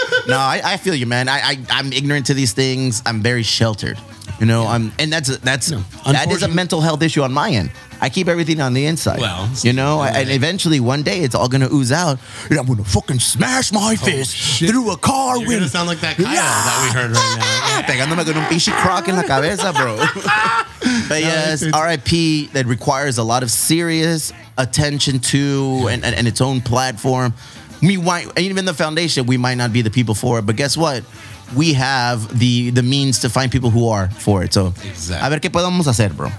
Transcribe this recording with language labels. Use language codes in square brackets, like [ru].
[en] No, I feel you, man. I'm ignorant to these things. I'm very sheltered. You know, that is a mental health issue on my end. I keep everything on the inside. Well, you know, and eventually one day it's all going to ooze out. And I'm going to fucking smash my fist through a car window. You're going to sound like that Kyle that we heard right now. [es] Pegándome con un pinche croc en la cabeza, bro. [en] But yes, RIP, that requires a lot of serious attention to and its own platform. Even the foundation, we might not be the people for it. But guess what? We have the means to find people who are for it. So, exactly. [es] A ver qué podemos hacer, bro.